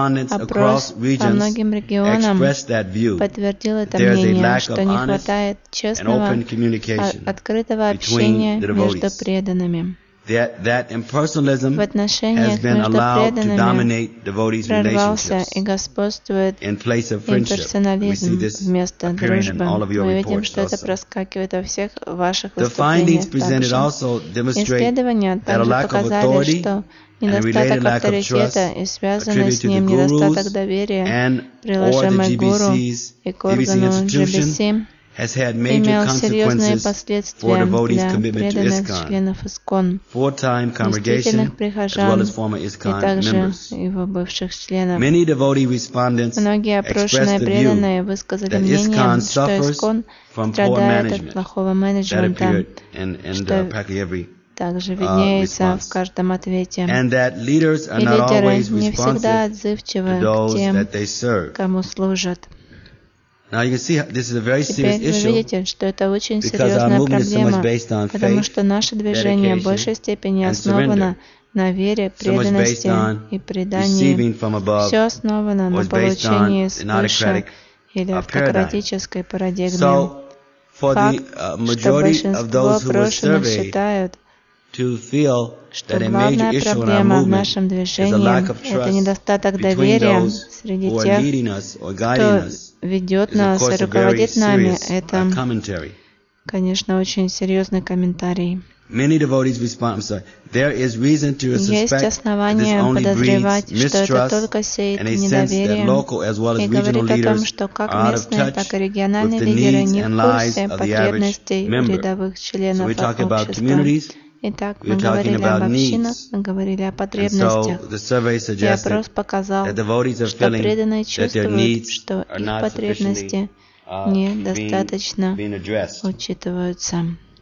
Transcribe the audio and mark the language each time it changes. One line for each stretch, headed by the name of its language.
Russian: Опрос по многим регионам подтвердил это мнение, что не хватает честного, открытого общения между преданными.
English: That impersonalism has been allowed to dominate devotees' relationships in place of friendship. We see this appearing in all of your reports also. The findings presented also demonstrate that a lack of authority and a related lack of trust attributed to the gurus and/or the GBC's institution has had major consequences for devotees' commitment to ISKCON, four-time congregation, as well as former ISKCON members. Many devotee respondents expressed the view that ISKCON suffers from poor management that appeared in practically every response. And that leaders are not always responsive to those that they serve. Now you can see this is a very serious issue.
Russian: Видите, что это очень серьёзная проблема, потому что наше движение в большей степени основано на вере, преданности и предании. Всё основано на получении свыше или автократической парадигме.
English: So, for the majority of those who were surveyed, to feel that a major issue in our movement is a lack of trust between those who are leading us or guiding us, is of course a very serious commentary.
Russian: Конечно, очень серьезный комментарий.
English: Many devotees respond, I'm sorry, there is reason to suspect this only breeds mistrust and a sense that local as well as regional leaders are out of touch with the needs and lives of the average member. So we talk about communities.
Russian: Итак, мы говорили об общинах, мы говорили о потребностях. И опрос показал, что преданные чувствуют, что их потребности недостаточно учитываются.